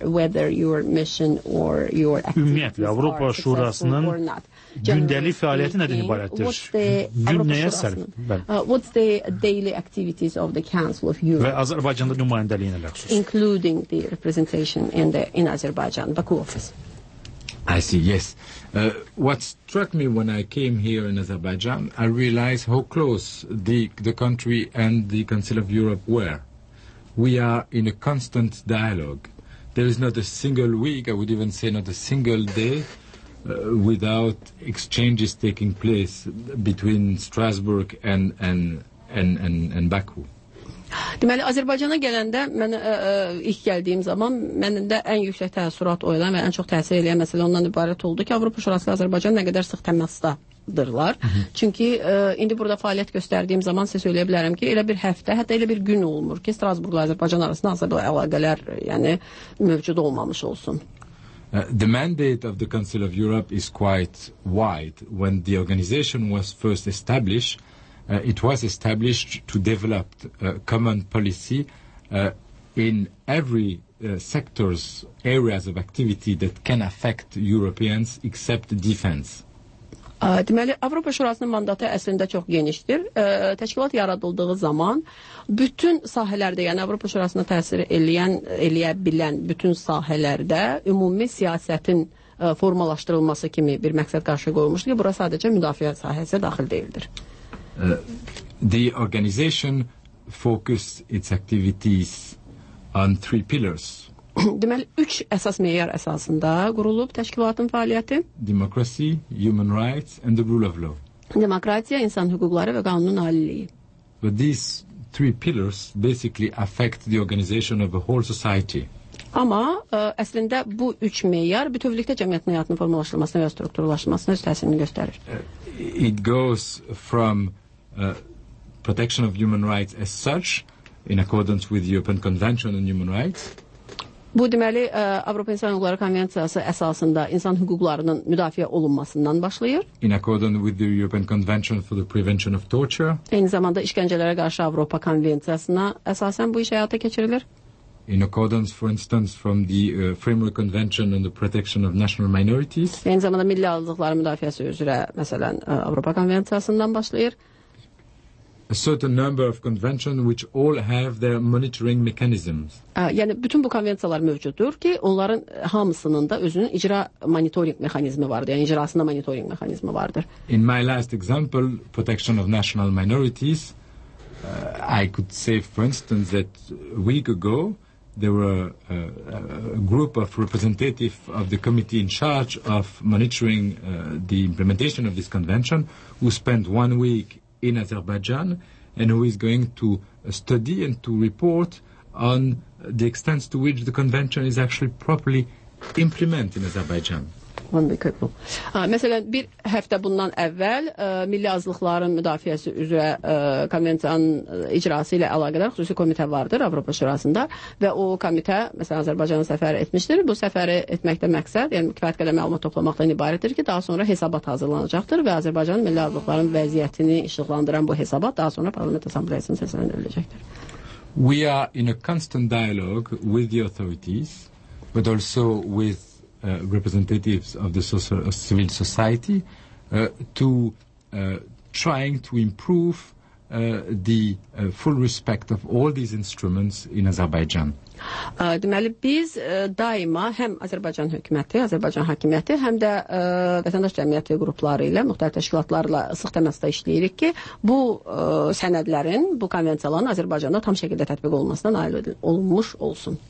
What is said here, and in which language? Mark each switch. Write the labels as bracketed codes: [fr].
[az] Ümumiyyətlə, Avropa Şurasının gündəlik fəaliyyəti nədən ibarətdir? Gün nəyə sərf? Və Azərbaycanda nümayəndəliyinə ləxsus. [en] Including the representation in Azerbaijan, Baku office. I see, yes. What struck me when I came here in Azerbaijan, I realized how close the country and the Council of Europe were. We are in a constant dialogue. There is not a single week, I would even say not a single day, without exchanges taking place between Strasbourg and Baku. [az] Deməli, Azərbaycana gələndə mən ilk gəldiyim zaman məndə ən yüksək təəssürat oyulan və ən çox təsir eləyən məsələ ondan ibarət oldu ki, Avropa Şurası ilə Azərbaycan nə qədər sıx təmasda dırlar. Çünki indi burada fəaliyyət göstərdiyim zaman sizə söyləyə bilərəm ki, elə bir həftə, hətta elə bir gün olmur ki, Strasburgla Azərbaycan arasında hansı bir əlaqələr, yəni mövcud olmamış olsun. [en] The mandate of the Council of Europe is quite wide. When the organization was first established, it was established to develop common policy in every sectors, areas of activity that can affect Europeans except defense. [az] Deməli, Avropa Şurasının mandatı əslində çox genişdir. Təşkilat yaradıldığı zaman bütün sahələrdə, yəni Avropa Şurasına təsir eləyə bilən bütün sahələrdə ümumi siyasətin formalaşdırılması kimi bir məqsəd qarşı qoyulmuşdu ki, bura sadəcə müdafiə sahəsi daxil deyildir. [en] The organization focused its activities on three pillars. [az] Deməli, üç əsas meyar əsasında qurulub təşkilatın fəaliyyəti. [en] Democracy, human rights and the rule of law. [az] Demokratiya, insan hüquqları və qanunun aliliyi. [en] But these three pillars basically affect the organization of a whole society. [az] Amma əslində bu üç meyar bütövlükdə cəmiyyət həyatının formalaşdırılmasına və strukturlaşmasına öz təsirini göstərir. [en] It goes from protection of human rights as such, in accordance with the European Convention on Human Rights. [az] Bu deməli Avropa İnsan Hüquqları Konvensiyası əsasında insan hüquqlarının müdafiə olunmasından başlayır. [en] In accordance with the European Convention for the Prevention of Torture. [az] Eyni zamanda işkəncələrə qarşı Avropa Konvensiyasına əsasən bu iş həyata keçirilir. [en] In accordance, for instance, from the Framework Convention on the Protection of National Minorities. [az] Eyni zamanda milli azlıqların müdafiəsi üzrə, məsələn, Avropa Konvensiyasından başlayır. [en] A certain number of conventions which all have their monitoring mechanisms. [az] Yəni, bütün bu konvensiyalar mövcuddur ki, onların hamısının da özünün icra monitoring mexanizmi vardır, yəni icrasında monitoring mexanizmi vardır. [en] In my last example, protection of national minorities, I could say, for instance, that a week ago, there were a group of representatives of the committee in charge of monitoring the implementation of this convention who spent 1 week in Azerbaijan and who is going to study and to report on the extent to which the convention is actually properly implemented in Azerbaijan. [az] Məsələn, bir həftə bundan əvvəl milli azlıqların müdafiəsi üzrə konvensiyanın icrası ilə əlaqədar xüsusi komitə vardır Avropa Şurasında və o komitə, məsələn, Azərbaycana səfər etmişdir. Bu səfəri etməkdə məqsəd, yəni kifayət qədər məlumat toplamaqdan ibarətdir ki, daha sonra hesabat hazırlanacaqdır və Azərbaycanın milli azlıqların vəziyyətini işıqlandıran bu hesabat daha sonra Parlament Assambleyasının səsindən ölecəkdir. [en] We are in a constant dialogue with the authorities, but also with representatives of the civil society trying to improve the full respect of all these instruments in Azerbaijan. [az] Deməli, biz daima həm Azərbaycan hökuməti, Azərbaycan hakimiyyəti, həm də vətəndaş cəmiyyəti qrupları ilə, müxtəlif təşkilatlarla sıx təməsdə işləyirik ki, bu sənədlərin, bu konvensiyaların Azərbaycanda tam şəkildə tətbiq olunmasına nail olunmuş olsun.